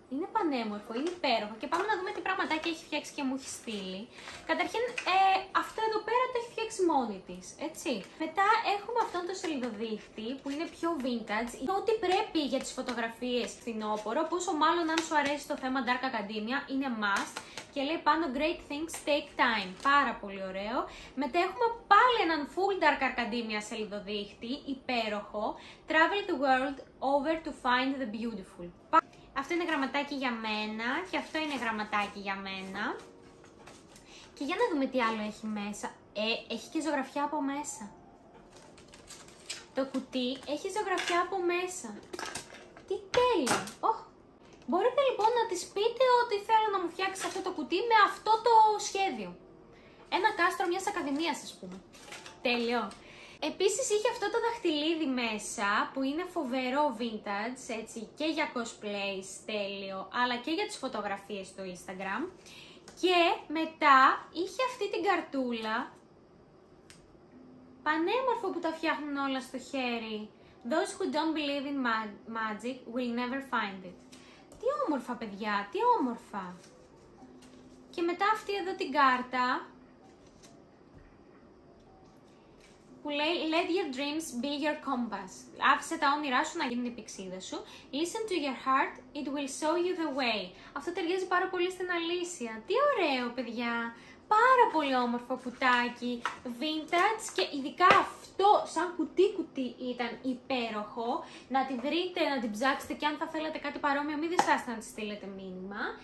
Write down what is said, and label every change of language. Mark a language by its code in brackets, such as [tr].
[el] Είναι πανέμορφο, είναι υπέροχο και πάμε να δούμε τι πραγματάκια έχει φτιάξει και μου έχει στείλει. Καταρχήν, αυτό εδώ πέρα το έχει φτιάξει μόνη της, έτσι. Μετά έχουμε αυτόν τον σελιδοδείχτη που είναι πιο vintage. Είναι ό,τι πρέπει για τις φωτογραφίες φθινόπωρο, πόσο μάλλον αν σου αρέσει το θέμα Dark Academia, είναι must. Και λέει πάνω [en] Great Things Take Time. [el] Πάρα πολύ ωραίο. Μετά έχουμε πάλι έναν Full Dark Academia σελιδοδείχτη. Υπέροχο. [en] Travel the world over to find the beautiful. [el] Αυτό είναι γραμματάκι για μένα. Και αυτό είναι γραμματάκι για μένα. Και για να δούμε τι άλλο έχει μέσα. Έχει και ζωγραφιά από μέσα. Το κουτί έχει ζωγραφιά από μέσα. Τι τέλειο. Οχ. Μπορείτε λοιπόν να της πείτε ότι θέλω να μου φτιάξει αυτό το κουτί με αυτό το σχέδιο. Ένα κάστρο μιας ακαδημίας, ας πούμε. Τέλειο. Επίσης είχε αυτό το δαχτυλίδι μέσα που είναι φοβερό vintage, έτσι, και για cosplay τέλειο, αλλά και για τις φωτογραφίες στο Instagram. Και μετά είχε αυτή την καρτούλα. Πανέμορφο που τα φτιάχνουν όλα στο χέρι. [en] Those who don't believe in magic will never find it. [el] Τι όμορφα, παιδιά, τι όμορφα. Και μετά αυτή εδώ την κάρτα που λέει [en] Let your dreams be your compass. [el] Άφησε τα όνειρά σου να γίνουν η πηξίδα σου. [en] Listen to your heart, it will show you the way. [el] Αυτό ταιριάζει πάρα πολύ στην Αλήσια. Τι ωραίο, παιδιά. Πάρα πολύ όμορφο κουτάκι. Vintage και ειδικά αυτό σαν κουτί-κουτί ήταν υπέροχο. Να τη βρείτε, να την ψάξετε και αν θα θέλετε κάτι παρόμοιο, μην διστάσετε να τη στείλετε μήνυμα.